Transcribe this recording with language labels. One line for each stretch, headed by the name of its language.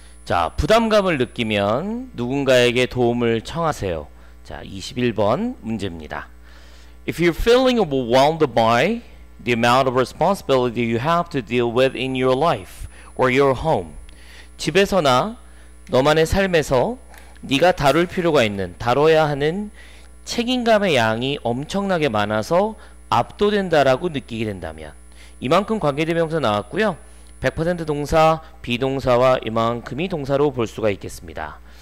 Korean: 자, 부담감을 느끼면 누군가에게 도움을 청하세요. 자, 21번 문제입니다.
English: If you're feeling overwhelmed by the amount of responsibility you have to deal with in your life or your home,
Korean: 집에서나 너만의 삶에서 네가 다룰 필요가 있는, 다뤄야 하는 책임감의 양이 엄청나게 많아서 압도된다라고 느끼게 된다면, 이만큼 관계대명사 나왔고요. 100% 동사, 비동사와 이만큼이 동사로 볼 수가 있겠습니다.